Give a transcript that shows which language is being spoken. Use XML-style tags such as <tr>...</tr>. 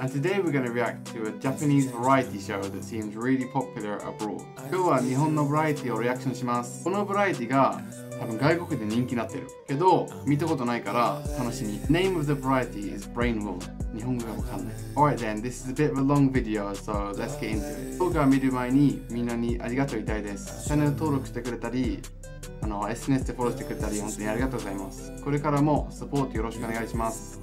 <en>And today we're gonna react to a Japanese variety show that seems really popular abroad.</en> <ja>今日は日本のバラエティをリアクションします。このバラエティが多分外国で人気になってる。けど、見たことないから楽しみ。</ja> <en>Name of the variety is Brain Wool.</en> <ja>日本語がわかんない。</ja> <en>Alright then, this is a bit of a long video, so let's get into it.</en> <ja>動画を見る前にみんなにありがとう言いたいです。チャンネル登録してくれたり、SNS でフォローしてくれたり本当にありがとうございます。これからもサポートよろしくお願いします。</ja>